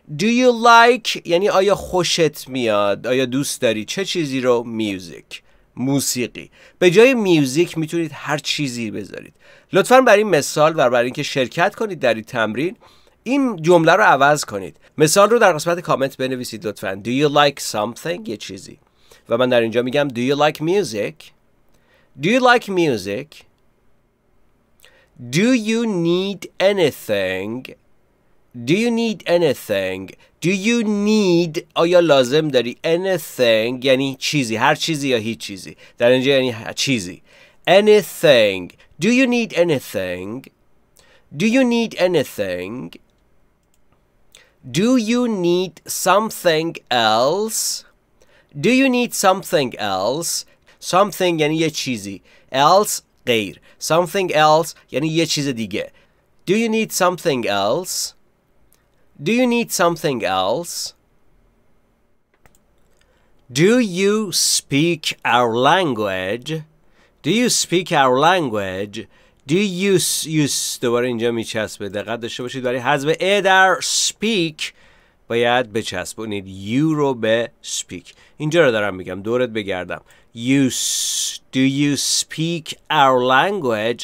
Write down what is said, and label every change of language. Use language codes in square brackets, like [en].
[en] Do you like [fa] یعنی آیا خوشت میاد؟ آیا دوست داری؟ چه چیزی رو؟ Music، موسیقی. به جای music میتونید هر چیزی بذارید. لطفاً برای مثال و برای اینکه شرکت کنید در این تمرین این جمله رو عوض کنید. مثال رو در قسمت کامنت بنویسید لطفاً. [en] Do you like something؟ [fa] یه چیزی. و من در اینجا میگم [en] Do you like music؟ Do you like music؟ Do you need anything؟ Do you need anything? Do you need [fa] آیا لازم داری؟ Anything یعنی چیزی، هر چیزی یا هیچ چیزی. در اینجا یعنی چیزی. Anything. [en] Do you need anything? Do you need anything? Do you need something else? Do you need something else? [fa] Something یعنی یه چیزی. Else غیر. Something else یعنی یه چیز دیگه. [en] Do you need something else? Do you need something else? Do you speak our language? Do you speak our language? [fa] Do you use دوباره اینجا میچسبه. دقت داشته باشید برای حذف در speak باید بچسبونید you رو به speak. اینجا رو دارم میگم دورت بگردم. [en] Do you speak our language?